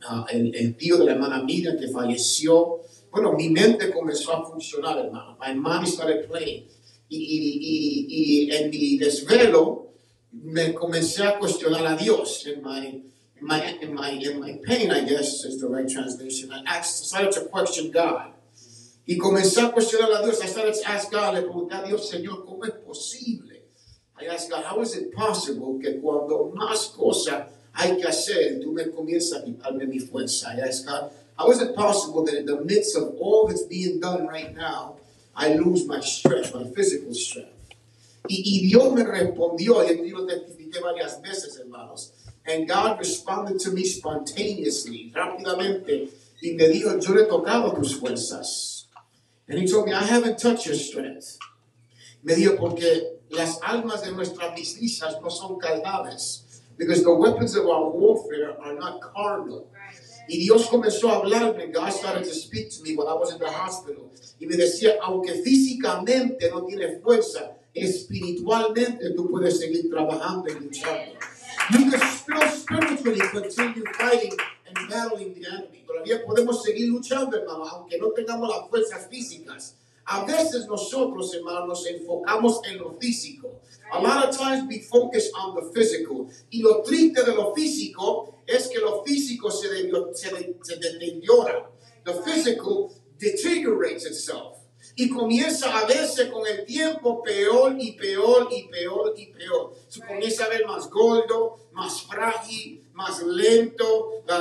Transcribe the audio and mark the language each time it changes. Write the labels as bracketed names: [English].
[Spanish] El tío de la hermana Mira que falleció. Bueno, mi mente comenzó a funcionar, hermano. [English] My mind started playing. [Spanish] Y en mi desvelo me comencé a cuestionar a Dios. [English] In my pain, I guess is the right translation. I started to question God. [Spanish] Y comencé a cuestionar a Dios. [English] I started to ask God, [Spanish] le pregunté a Dios, Señor, ¿cómo es posible? [English] I asked God, how is it possible [Spanish] que cuando más cosas hay que hacer, tú me comienzas a quitarme mi fuerza? [English] I asked God, how is it possible that in the midst of all that's being done right now, I lose my strength, my physical strength? [Spanish] Y Dios me respondió, y yo lo testifiqué varias veces, hermanos. [English] And God responded to me spontaneously, [Spanish] rápidamente, y me dijo, yo le he tocado tus fuerzas. [English] And he told me, I haven't touched your strength. [Spanish] Me dijo, porque las almas de nuestras milicias no son cadáveres. [English] Because the weapons of our warfare are not carnal. [Spanish] Y Dios comenzó a hablarme. [English] God started to speak to me while I was in the hospital. [Spanish] Y me decía, aunque físicamente no tiene fuerza, espiritualmente tú puedes seguir trabajando y luchando. [English] You can still spiritually continue fighting and battling the enemy. [Spanish] Todavía podemos seguir luchando, hermano, aunque no tengamos las fuerzas físicas. A veces nosotros, hermano, nos enfocamos en lo físico. [English] A lot of times we focus on the physical. [Spanish] Y lo triste de lo físico es que lo físico se deteriora. [English] The physical deteriorates itself. [Spanish] Y comienza a verse con el tiempo peor y peor y peor y peor. Se comienza a ver más gordo, más frágil, más lento.